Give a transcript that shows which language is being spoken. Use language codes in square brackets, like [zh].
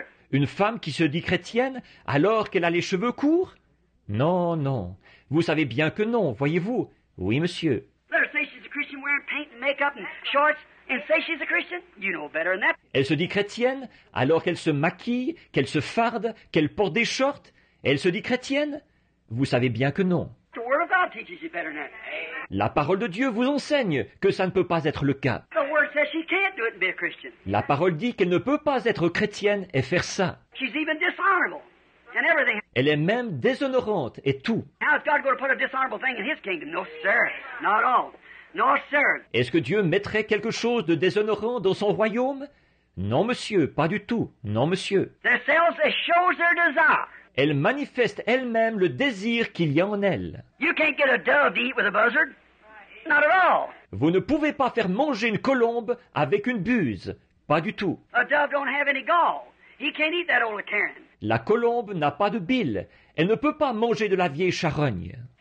[fr] Une femme qui se dit chrétienne alors qu'elle a les cheveux courts? Non, non, vous savez bien que non, voyez-vous. Oui, monsieur. [en] Let her say she's a Christian wearing paint and makeup and shorts and say she's a Christian. You know better than that. [fr] Elle se dit chrétienne alors qu'elle se maquille, qu'elle se farde, qu'elle porte des shorts. Elle se dit chrétienne? Vous savez bien que non. [en] The word of God teaches you better than that. [fr] La parole de Dieu vous enseigne que ça ne peut pas être le cas. [en] The word says she can't do it and be a Christian. [fr] La parole dit qu'elle ne peut pas être chrétienne et faire ça. [en] She's even dishonorable. And everything. [fr] Elle est même déshonorante et tout. [en] How is God going to put a dishonorable thing in his kingdom? No, sir. Not all. No, sir. [fr] Est-ce que Dieu mettrait quelque chose de déshonorant dans son royaume? Non, monsieur. Pas du tout. Non, monsieur. [en] The cells shows their desire. [fr] Elle manifeste elle-même le désir qu'il y a en elle. [en] You can't get a dove to eat with a buzzard. Not at all. [fr] Vous ne pouvez pas faire manger une colombe avec une buse. Pas du tout. [en] A dove don't have any gall. He can't eat that old Karen. [fr] La colombe n'a pas de bile. Elle ne peut pas manger de la vieille charogne.